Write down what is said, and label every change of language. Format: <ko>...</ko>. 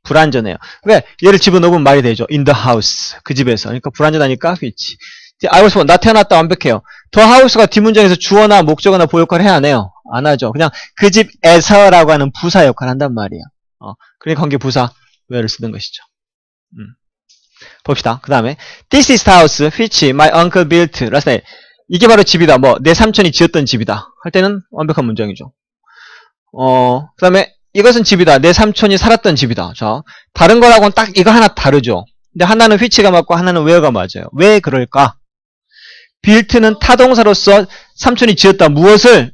<ko>불완전해요. 왜? 얘를 집어넣으면 말이 되죠.</ko> <en>In the house. 그 집에서.</en> <ko>그러니까 불완전하니까 그치.</ko> <en>I was born.</en> <ko>나 태어났다. 완벽해요. The house가 뒷문장에서 주어나 목적어나 보호 역할을 해야 안 해요? 안 하죠. 그냥 그 집에서라고 하는 부사 역할을 한단 말이에요. 그러니까 관계 부사 where를 쓰는 것이죠. 봅시다. 그 다음에</ko> <en>This is the house which my uncle built last night.</en> <ko>이게 바로 집이다. 뭐 내 삼촌이 지었던 집이다. 할 때는 완벽한 문장이죠. 그 다음에 이것은 집이다. 내 삼촌이 살았던 집이다. 자, 다른 거라고는 딱 이거 하나 다르죠. 근데 하나는 휘치가 맞고 하나는 웨어가 맞아요. 왜 그럴까? 빌트는 타동사로서 삼촌이 지었다. 무엇을?</ko>